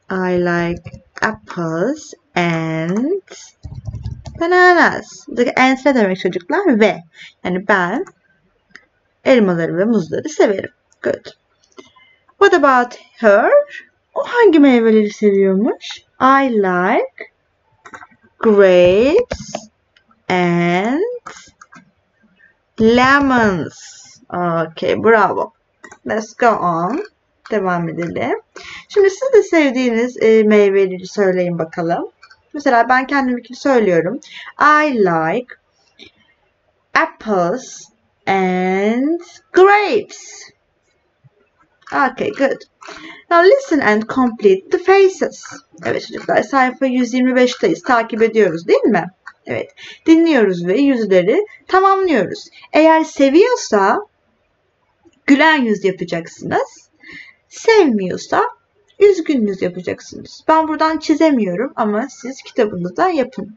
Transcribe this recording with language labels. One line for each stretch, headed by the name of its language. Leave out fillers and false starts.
English: I like apples and bananas.
Turkish: Buradaki and ne demek çocuklar? Ve. Yani ben elmaları ve muzları severim.
English: Good. What about her?
Turkish: O hangi meyveleri seviyormuş?
English: I like grapes and lemons. Okay, bravo. Let's go on.
Turkish: Devam edelim. Şimdi siz de sevdiğiniz meyveleri söyleyin bakalım. Mesela ben kendimki söylüyorum.
English: I like apples and grapes. Okay, good. Now listen and complete the faces.
Turkish: Evet çocuklar, sayfa 125'teyiz. Takip ediyoruz, değil mi? Evet. Dinliyoruz ve yüzleri tamamlıyoruz. Eğer seviyorsa gülen yüz yapacaksınız. Sevmiyorsa üzgün yüz yapacaksınız. Ben buradan çizemiyorum ama siz kitabınızda yapın.